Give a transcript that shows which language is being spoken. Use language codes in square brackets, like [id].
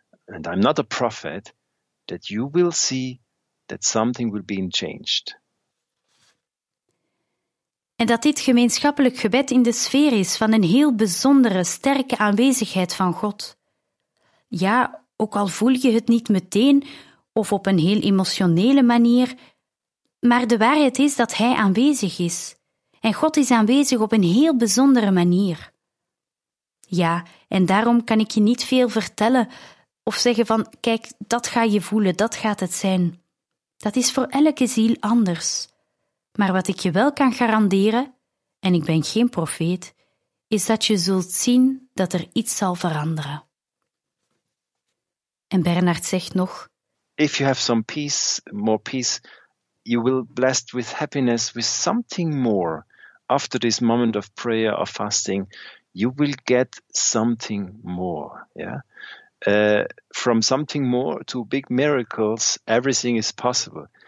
[en] and I'm not a prophet, that you will see that something will be changed. [nl] En dat dit gemeenschappelijk gebed in de sfeer is van een heel bijzondere, sterke aanwezigheid van God. Ja, ook al voel je het niet meteen of op een heel emotionele manier, maar de waarheid is dat Hij aanwezig is. En God is aanwezig op een heel bijzondere manier. Ja, en daarom kan ik je niet veel vertellen of zeggen van, kijk, dat ga je voelen, dat gaat het zijn. Dat is voor elke ziel anders. Maar wat ik je wel kan garanderen, en ik ben geen profeet, is dat je zult zien dat er iets zal veranderen. En Bernard zegt nog: [en] If you have some peace, more peace, you will be blessed with happiness, with something more. After this moment of prayer or fasting, you will get something more. Yeah? From something more to big miracles, everything is possible.